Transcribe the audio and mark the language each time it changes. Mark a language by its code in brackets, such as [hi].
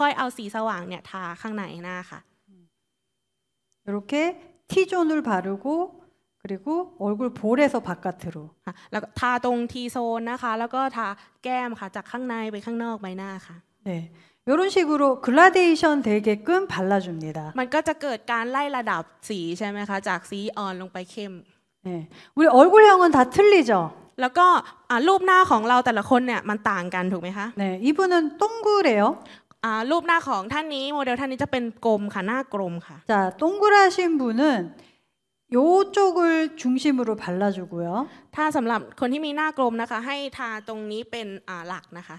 [th] 아ลำดับการทานะคะแนะนำให้ใช้สีคล้ำทากรอบหน้าก่อนแล้วค่อยเอาสีสว่างเนี่ยทาข้างในหน้าค่ะ [ko] 이렇게 T존을 바르고 그리고 얼굴 볼에서 바깥으로. [th] 아,แล้วทาตรง T존นะคะแล้วก็ทาแก้มค่ะจากข้างในไปข้างนอกใบหน้าค่ะ [ko] 네. 이런 식으로 그라데이션 되게끔 발라줍니다. [th] มันก็จะเกิดการไล่ระดับสีใช่ไหมคะจากสีอ่อนลงไปเข้ม [ko] 네, 우리 얼굴형은 다 틀리죠. 그리고 [th] รูปหน้าของเราแต่ละคนเนี่ยมันต่างกันถูกไหมคะ [ko] 네, 이분은 동그래요. [th] 아,รูปหน้าของท่านนี้โมเดลท่านนี้จะเป็นกลมค่ะหน้ากลมค่ะ [ko] 자, 동그라신 분은 요쪽을중심으로발라주고요 [th] ถ้าสำหรับคนที่มีหน้ากลมนะคะให้ทาตรงนี้เป็นหลักนะคะ